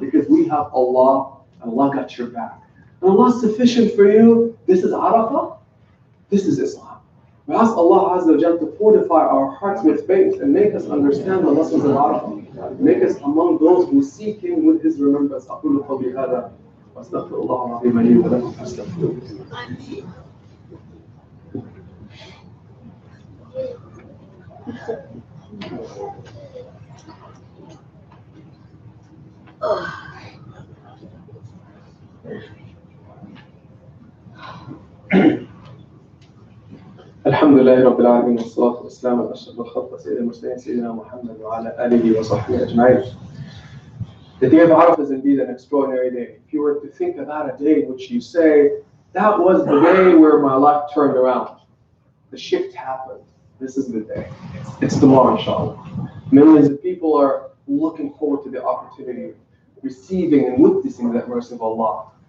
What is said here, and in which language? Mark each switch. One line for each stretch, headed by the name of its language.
English: Because we have Allah, and Allah got your back. And Allah's sufficient for you. This is Arafah. This is Islam. We ask Allah Azza wa Jalla to fortify our hearts with faith and make us understand the lessons of Arafah. Make us among those who seek Him with His remembrance.
Arabic: أَقُولُ قَبْلِ هَذَا وَأَسْتَغْفِرُ اللَّهَ عَظِيمَ لِي وَلَكُمْ الحمد لله رب العالمين والصلاة والسلام على أشرف الخلق سيدنا المرسلين سيدنا محمد وعلى آله وصحبه أجمعين.
English: The day of Arafah is indeed an extraordinary day. If you were to think about a day in which you say, that was the day where my life turned around, the shift happened, this is the day. It's tomorrow, inshallah. Millions of people are looking forward to the opportunity of receiving and witnessing that mercy of Allah.